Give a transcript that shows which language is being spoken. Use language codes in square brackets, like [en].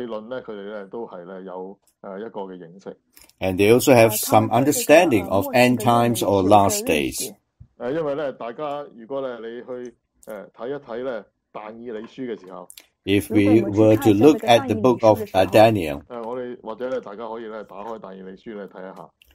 [zh] 他们呢,都是呢,这个呢,末世论呢,他们呢,都是呢,有一个的认识。 [en] And they also have some understanding of end times or last days. [zh] 因为呢,大家,如果你去看一看呢,但以理书的时候, [en] if we were to look at the book of Daniel, [zh] 或者呢,大家可以呢,打开但以理书呢,看一下。